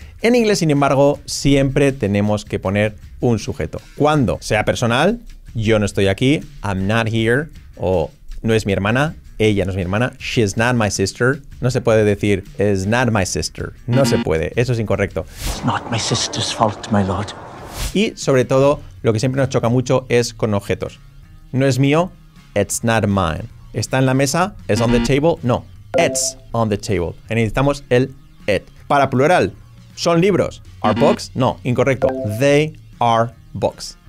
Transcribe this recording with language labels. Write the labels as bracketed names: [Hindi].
[Spanish] En inglés, sin embargo, siempre tenemos que poner un sujeto. Cuando sea personal, yo no estoy aquí, [English] I'm not here, [Spanish] o no es mi hermana, ella no es mi hermana, [English] she's not my sister. [Spanish] No se puede decir, [English] is not my sister. [Spanish] No se puede, eso es incorrecto. [English] It's not my sister's fault, my lord. [Spanish] Y sobre todo, lo que siempre nos choca mucho es con objetos. No es mío, [English] it's not mine. [Spanish] ¿Está en la mesa? [English] Is on the table? No, it's on the table. [Spanish] Y necesitamos el it. Para plural, ¿son libros? [English] Are books? [Spanish] No, incorrecto. [English] They are books.